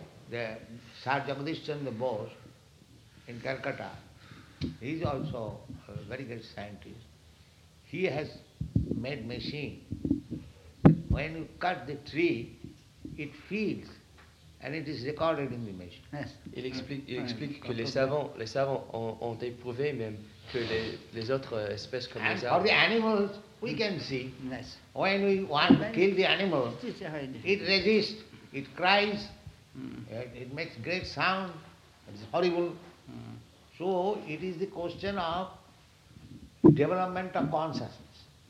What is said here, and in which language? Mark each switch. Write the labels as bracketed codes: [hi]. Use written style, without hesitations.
[en] The Sir Jagadish Chandra Bose in Calcutta, he is also a very great scientist. He has made machine. When you cut the tree, it feels, and it is recorded in the machine. Yes. [fr] Il explique que les savants ont éprouvé même que les autres espèces comme [en] and [fr] les arbres. [en] For the animals, we can see. Yes. When we want to kill the animal, it resists. It cries. It makes great sound. It's horrible. So it is the question of development of consciousness.